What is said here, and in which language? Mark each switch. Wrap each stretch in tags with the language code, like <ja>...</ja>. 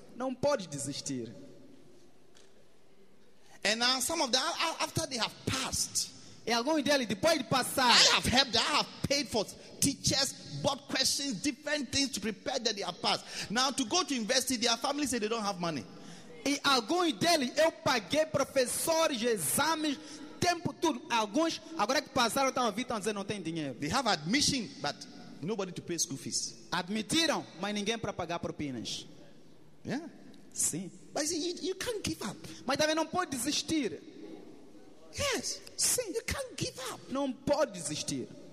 <pt>Não pode desistir.</pt> <en>And now some of them, after they have passed.</en> <pt>E alguns deles, depois de passar.</pt> <en>I have helped, I have paid for teachers, bought questions, different things to prepare that they have passed. Now to go to university, their families say they don't have money.</en> <pt>E alguns deles, eu paguei professores, exames, tempo tudo. Alguns, agora que passaram, estão a vir, estão a dizer, não tem dinheiro.</pt> <en>They have admission, but nobody to pay school fees.</en> <pt>Admitiram, mas ninguém para pagar propinas.</pt> <en>Yeah.</en> <pt>Sim.</pt> <en>But you can't give up.</en> <pt>Mas também não pode desistir.</pt> <en>Yes. Sim. You can't give up.</en> <pt>Não pode desistir.</pt>